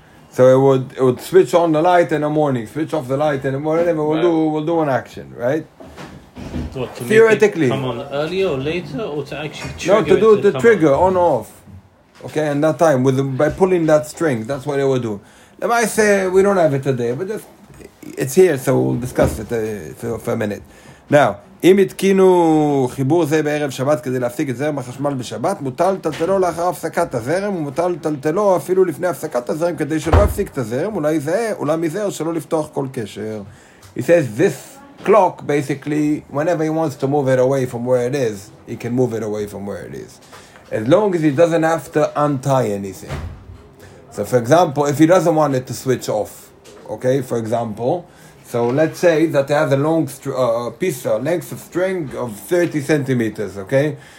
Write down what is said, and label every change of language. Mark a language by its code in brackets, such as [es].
[en] So it would switch on the light in the morning, switch off the light in the morning, whatever, we'll do an action, right? What, theoretically, come on earlier or later, or to actually trigger? No, to do it, the trigger on off. Okay, and that time by pulling that string, that's what it would do. If I say we don't have it today, but just it's here, so we'll discuss it for a minute. [he] Now, אם התקינו חיבור זה בערב שבת כדי להפסיק את זרם החשמל בשבת, מוטל טלטלו לאחר הפסקת הזרם, ומוטל טלטלו אפילו לפני הפסקת הזרם כדי שלא יפסיק את הזרם, אולי זה, אולי מזה, או שלא לפתוח כל קשר. [en] He says, this clock, basically, whenever he wants to move it away from where it is, he can move it away from where it is. As long as he doesn't have to untie anything. So, for example, if he doesn't want it to switch off, okay, for example... So let's say that it has a long length of string of 30 centimeters, okay?